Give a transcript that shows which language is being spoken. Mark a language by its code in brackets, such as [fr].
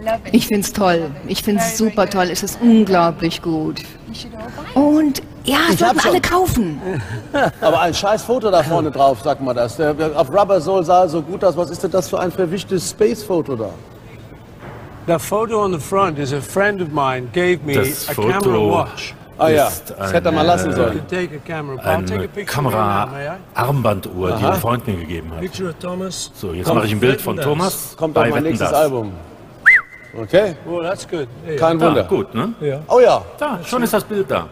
[de] Ich finde es toll. Ich finde es super toll. Es ist unglaublich gut. Und ja, ich sollten alle kaufen. Aber ein scheiß Foto da vorne drauf, sag mal das. Der auf Rubber Soul sah so gut aus. Was ist denn das für ein verwischtes Space-Foto da? [en] The photo on the front is a friend of mine gave me a camera watch. [de] Ah ja, das hätte er mal lassen sollen. Eine Kamera-Armbanduhr, die ein Freund mir gegeben hat. [en] Picture of Thomas. [de] So, jetzt mache ich ein Bild von Thomas. Kommt auf mein nächstes Album. Okay. [en] Well, that's good. [de] Yeah. Kein Wunder. Da, gut, ne? Yeah. Oh ja. Da, schon ist das Bild da.